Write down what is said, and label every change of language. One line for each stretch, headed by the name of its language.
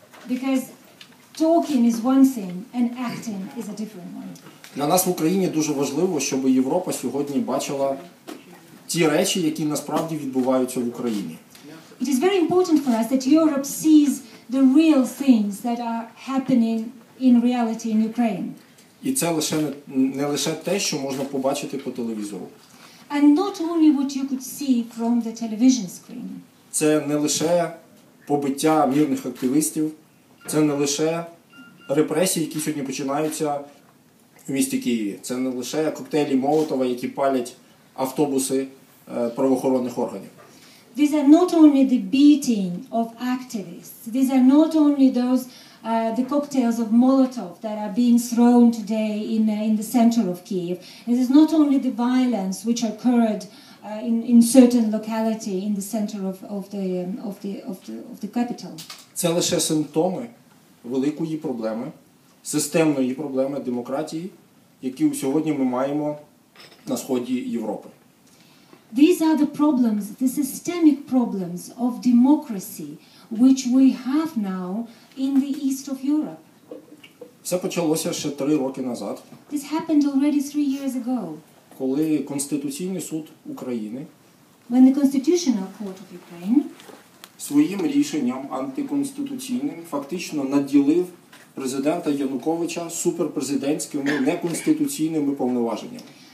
English: Because talking is one thing and acting is a different one.
Ukrainian: Для нас в Україні дуже важливо, щоб Європа сьогодні бачила ті речі, які насправді відбуваються в Україні.
English: It is very important for us that Europe sees the real things that are happening in reality in Ukraine.
Ukrainian: І це лише не лише те, що можна побачити по телевізору.
English: And not only what you could see from the television screen.
Ukrainian: Це не лише побиття мирних активістів, це не лише репресії, які сьогодні починаються в місті Києві. Це не лише коктейлі Молотова, які палять автобуси правоохоронних органів.
English: These are not only the beating of activists. These are not only those the cocktails of Molotov that are being thrown today in the center of Kyiv. It is not only the violence which occurred in certain locality in the center of the capital.
Ukrainian: Це лише симптоми великої проблеми, системної проблеми демократії, яку сьогодні ми маємо на сході Європи.
English: These are the problems, the systemic problems of democracy which we have now in the east of Europe.
Ukrainian: Все почалося ще 3 роки назад.
English: This happened already 3 years ago.
Ukrainian: Коли Конституційний суд України,
English: when the Constitutional Court of Ukraine,
Ukrainian: своїм рішенням антиконституційним фактично наділив президента Януковича суперпрезидентськими неконституційними повноваженнями.